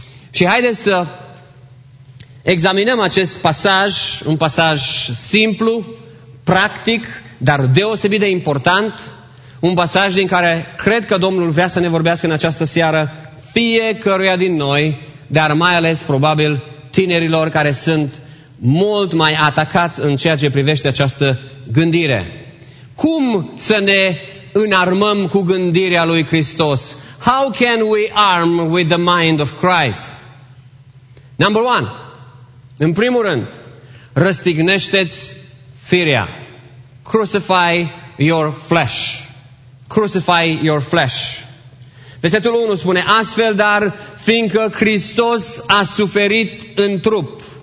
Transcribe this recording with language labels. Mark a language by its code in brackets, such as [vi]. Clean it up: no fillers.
[ro] Și haideți să examinăm acest pasaj, un pasaj simplu, practic, dar deosebit de important, un pasaj din care cred că Domnul vrea să ne vorbească în această seară fiecăruia din noi, dar mai ales probabil tinerilor care sunt mult mai atacați în ceea ce privește această gândire. Cum să ne înarmăm cu gândirea lui Hristos? [en] How can we arm with the mind of Christ? Number one, [ro] în primul rând, răstignește-ți firea. [en] Crucify your flesh. Crucify your flesh. [ro] Versetul 1 spune, astfel dar, fiindcă Hristos a suferit în trup.